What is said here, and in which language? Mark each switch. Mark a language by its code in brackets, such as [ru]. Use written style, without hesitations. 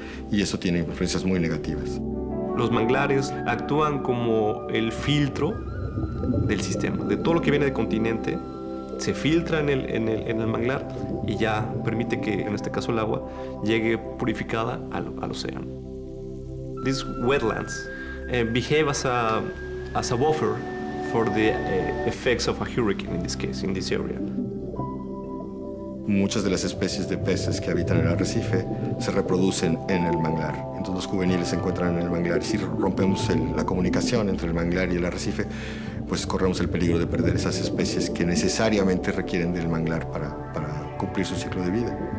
[es] Y eso tiene influencias muy negativas. Los manglares actúan como el filtro del sistema. De todo lo que viene del continente, se filtra en el manglar y ya permite que, en este caso, el agua llegue purificada al océano. [en] These wetlands behave as a buffer for the effects of a hurricane in this case, in this area. [es] Muchas de las especies de peces que habitan el arrecife se reproducen en el manglar. Entonces los juveniles se encuentran en el manglar. Si rompemos la comunicación entre el manglar y el arrecife, pues corremos el peligro de perder esas especies que necesariamente requieren del manglar para cumplir su ciclo de vida.